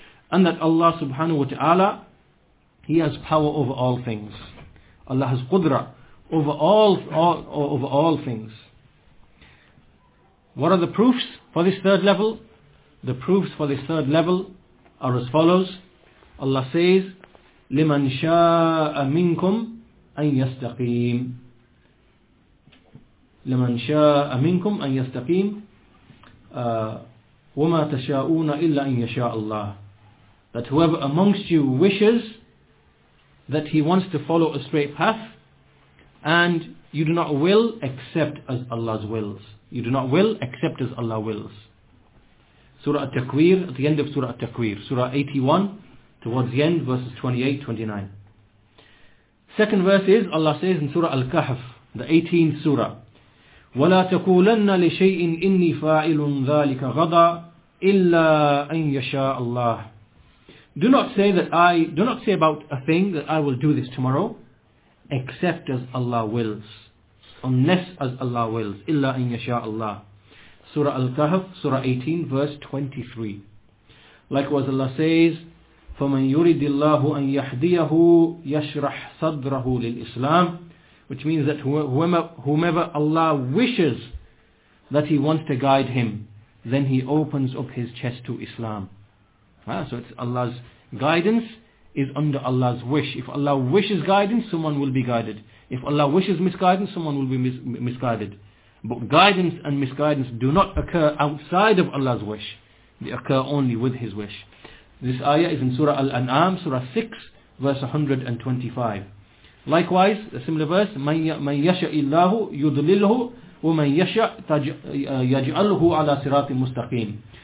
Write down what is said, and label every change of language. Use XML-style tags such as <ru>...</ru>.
<en>And that Allah subhanahu wa ta'ala, He has power over all things. Allah has qudra over all things. What are the proofs for this third level? The proofs for this third level are as follows. Allah says,</en> <ar>لِمَنْ شَاءَ مِنْكُمْ أَنْ يَسْتَقِيمُ لِمَنْ شَاءَ مِنْكُمْ أَنْ يَسْتَقِيمُ وَمَا تَشَاءُونَ إِلَّا أَنْ يَشَاءَ اللَّهُ.</ar> <en>That whoever amongst you wishes that he wants to follow a straight path, and you do not will except as Allah's wills. You do not will except as Allah wills. Surah At-Takwir, at the end of Surah At-Takwir, Surah 81, towards the end, verses 28-29. Second verse is, Allah says in Surah Al-Kahf, the 18th Surah,</en> <ar>وَلَا تَقُولَنَّ لِشَيْءٍ إِنِّي فَاعِلٌ ذَلِكَ غَضَى إِلَّا أَنْ يَشَاءَ اللَّهِ.</ar> <en>Do not say about a thing that I will do this tomorrow, except as Allah wills. Unless as Allah wills.</en> <ar>Illa in yasha Allah.</ar> <en>Surah Al-Kahf, Surah 18, verse 23. Likewise Allah says,</en> <ar>فَمَنْ يُرِدِ اللَّهُ أَنْ يَحْدِيَهُ يَشْرَحْ صَدْرَهُ لِلْإِسْلَامِ.</ar> <en>Which means that whomever Allah wishes that he wants to guide him, then he opens up his chest to Islam. So it's Allah's guidance is under Allah's wish. If Allah wishes guidance, someone will be guided. If Allah wishes misguidance, someone will be misguided. But guidance and misguidance do not occur outside of Allah's wish. They occur only with His wish. This ayah is in Surah Al-An'am, Surah 6, verse 125. Likewise, a similar verse,</en> <ar>مَنْ يَشَئِ اللَّهُ يُضْلِلْهُ وَمَنْ يَشَأْ يَجْعَلْهُ عَلَى صِرَاطٍ مُسْتَقِيمٍ.</ar>